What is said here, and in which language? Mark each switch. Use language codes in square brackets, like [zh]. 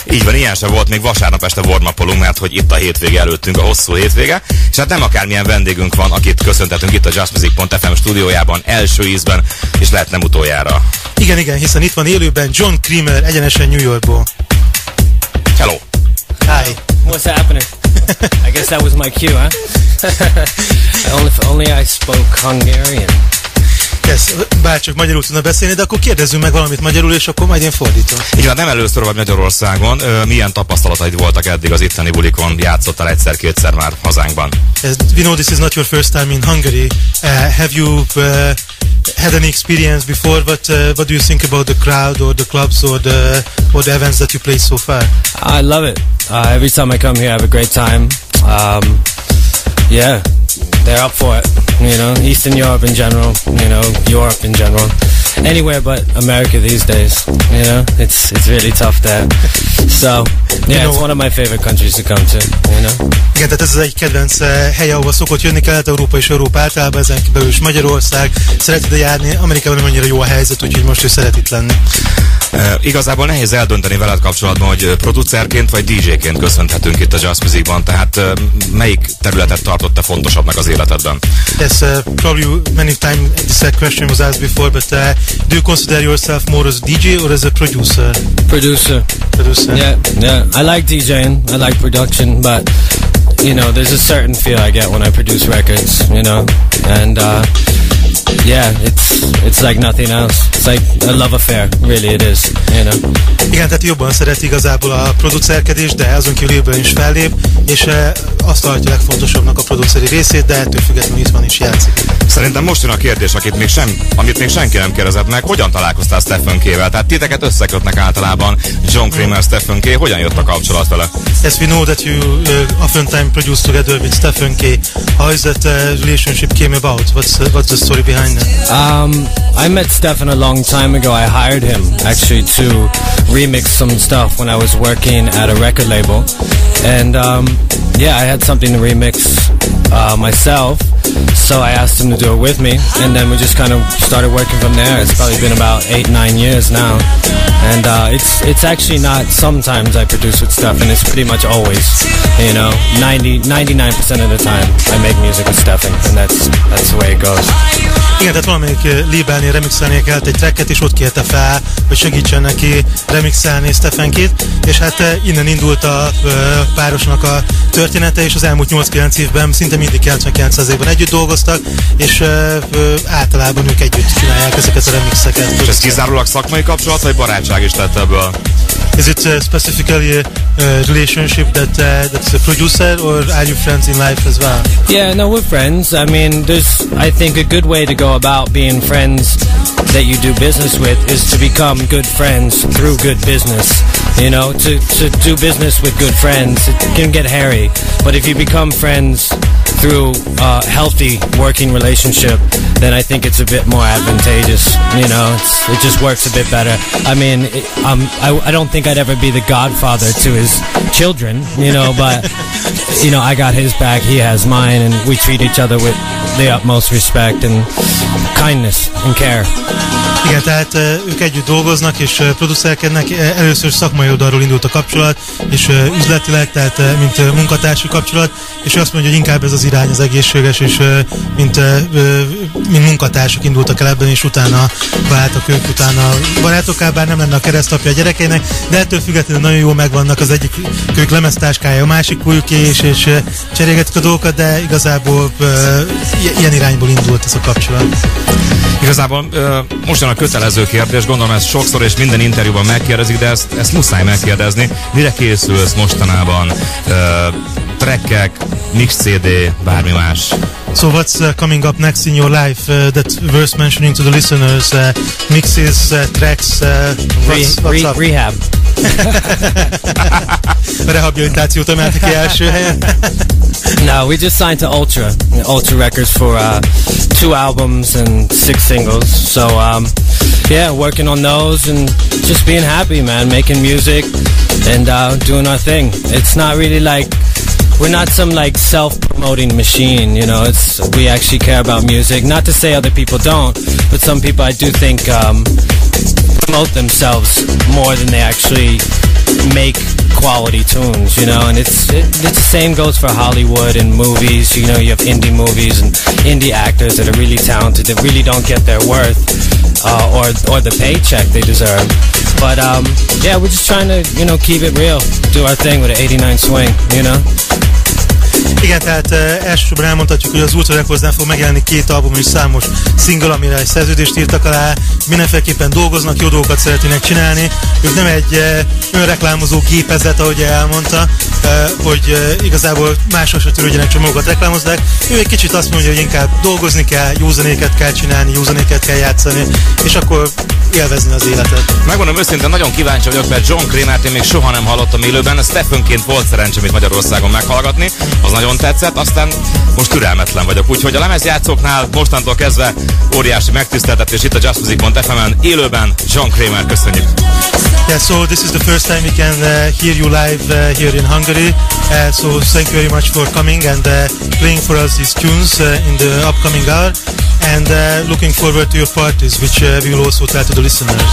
[hu] Így van, ilyen sem volt még vasárnap este warm-upolunk, mert hogy itt a hétvége előttünk, a hosszú hétvége, és hát nem akármilyen vendégünk van, akit köszöntetünk itt a JustMusic.fm stúdiójában első ízben, és lehet nem utoljára. Igen, igen, hiszen itt van élőben John Creamer, egyenesen New Yorkból. [en] Hello. Hi. What's happening? I guess that was my cue, huh? only I spoke Hungarian. [hu] Yes, bárcsak magyarul tudna beszélni, de akkor kérdezzünk meg valamit magyarul, és akkor majd én fordítom. Igen, nem először vagy Magyarországon. Milyen tapasztalataid voltak eddig az itteni bulikon? Játszottál egyszer-kétszer már hazánkban? [en] Yes, we know this is not your first time in Hungary. Have you had any experience before? What do you think about the crowd or the clubs or the events that you played so far? I love it. Every time I come here, I have a great time. Yeah, they're up for it, you know, Eastern Europe in general, you know, Europe in general, anywhere but America these days, you know, it's really tough there, so, yeah, you know, it's one of my favorite countries to come to, you know. [hu] Igen, tehát ez az egy kedvenc hely, ahova szokott jönni, Kelet-Európa és Európa általában, ezen kívül is Magyarország, szeret ide járni, Amerikában nem annyira jó a helyzet, úgyhogy most is szeret itt lenni. Igazából nehéz eldönteni veled kapcsolatban, hogy producerként vagy DJ-ként köszönhetünk itt a Just Musicban, tehát melyik területet tartotta fontosabbnak az életedben? [en] Yes, probably many times this question was asked before, but do you consider yourself more as a DJ or as a producer? Producer. Producer. Yeah, yeah. I like DJing, I like production, but you know, there's a certain feel I get when I produce records, you know, and yeah, it's like nothing else. It's like a love affair, really it is, you know. [hu] Igen, tehát jobban szeret igazából a producerkedés, de azon kívülből is fellép, és azt tartja legfontosabbnak a produceri részét, de ettől függetlenül itt van is játszik. Szerintem most jön a kérdés, amit még senki nem kérdezett meg, hogyan találkoztál Stephen K-vel? Tehát titeket összekötnek általában John Creamer, Stephen K, hogyan jött a kapcsolat vele? [en] Yes, we know that you oftentimes produce together with Stephen K. How is that relationship came about? What's the story behind it? I met Stephen a long time ago. I hired him actually to remix some stuff when I was working at a record label. And yeah, I had something to remix myself. So I asked him to do it with me, and then we just kind of started working from there. It's probably been about 8-9 years now, and it's actually not sometimes I produce with Stephen, it's pretty much always, you know, 99% of the time I make music with Stephen, and that's the way it goes. [hu] Igen, tehát valamelyik labelnél remixelni kellett egy tracket, és ott kérte fel, hogy segítsen neki remixelni Stephen K-t, és hát innen indult a párosnak a története, és az elmúlt 8-9 évben szinte mindig 99%-ban együtt dolgoztak, és általában ők együtt csinálják ezeket a remixeket. És ez kizárólag szakmai kapcsolat, vagy barátság is lett ebből? [en] Is it specifically a relationship that's a producer, or are you friends in life as well? Yeah, no, we're friends. I mean, there's, I think, a good way to go about being friends that you do business with is to become good friends through good business. You know, to do business with good friends, it can get hairy. But if you become friends through a healthy working relationship, then I think it's a bit more advantageous. You know, it just works a bit better. I mean, I don't think I'd ever be the godfather to his children, you know, but, you know, I got his back, he has mine, and we treat each other with the utmost respect and kindness and care. [hu] Igen, tehát ők együtt dolgoznak és producerkednek, először szakmai oldalról indult a kapcsolat, és üzletileg, tehát mint munkatársi kapcsolat, és azt mondja, hogy inkább ez az irány az egészséges, és mint munkatársak indultak el ebben, és utána váltak ők utána barátokká, bár nem lenne a keresztapja a gyerekének, de ettől függetlenül nagyon jól megvannak, az egyik kölyök lemeztáskája, a másik kulyuké, és cserélgetik a dolgokat, de igazából ilyen irányból indult ez a kapcsolat. Igazából most jön a kötelező kérdés, gondolom ezt sokszor és minden interjúban megkérdezik, de ezt muszáj megkérdezni. Mire készülsz mostanában? Trackek, mix CD, bármi más? [en] So what's coming up next in your life that worth mentioning to the listeners? Mixes, tracks, what's up? Rehab. [hu] Rehabilitációt emeltek ki első helyen. [en] No, we just signed to Ultra Records for 2 albums and 6 singles. So, yeah, working on those and just being happy, man, making music and doing our thing. It's not really like we're not some like self-promoting machine, you know. It's, we actually care about music. Not to say other people don't, but some people I do think promote themselves more than they actually make quality tunes, you know. And it's the same goes for Hollywood and movies. You know, you have indie movies and indie actors that are really talented that really don't get their worth or the paycheck they deserve. But yeah, we're just trying to, you know, keep it real, do our thing with an 89 swing, you know. [hu] Igen, tehát elsősorban elmondhatjuk, hogy az Ultra Recordsnál fog megjelenni két album és számos single, amire egy szerződést írtak alá. Mindenféleképpen dolgoznak, jó dolgokat szeretnének csinálni. Ők nem egy önreklámozó gépezet, ahogy elmondta, hogy igazából máshoz se törődjenek, csak magukat reklámozzák. Ő egy kicsit azt mondja, hogy inkább dolgozni kell, jó zenéket kell csinálni, jó zenéket kell játszani, és akkor élvezni az életet. Megmondom őszintén, nagyon kíváncsi vagyok, mert John Kramert én még soha nem hallottam élőben. Stephenként volt szerencsém itt Magyarországon meghallgatni. Az nagyon tetszett, aztán most türelmetlen vagyok. Úgyhogy a lemezjátszóknál mostantól kezdve óriási megtiszteltetés itt a Just Music Bond FM-en élőben. John Kramer, köszönjük! [en] Yeah, so this is the first time we can hear you live here in Hungary. So thank you very much for coming and playing for us these tunes in the upcoming hour. And looking forward to your parties, which we will also tell to the listeners.